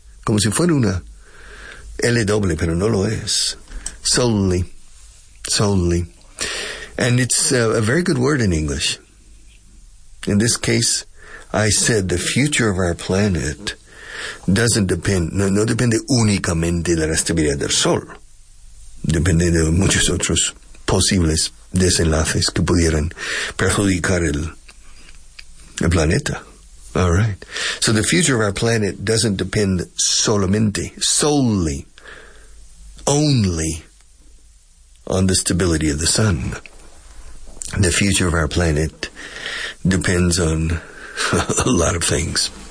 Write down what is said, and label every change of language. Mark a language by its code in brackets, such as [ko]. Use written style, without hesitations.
[es] Como si fuera una L doble, pero no lo es. [en] Solely. Solely. And it's a very good word in English. In this case, I said the future of our planet doesn't depend, [es] no depende únicamente de la estabilidad del sol. Depende de muchos otros posibles desenlaces que pudieran perjudicar el planeta. [en] All right. So the future of our planet doesn't depend only on the stability of the sun. The future of our planet depends on a lot of things.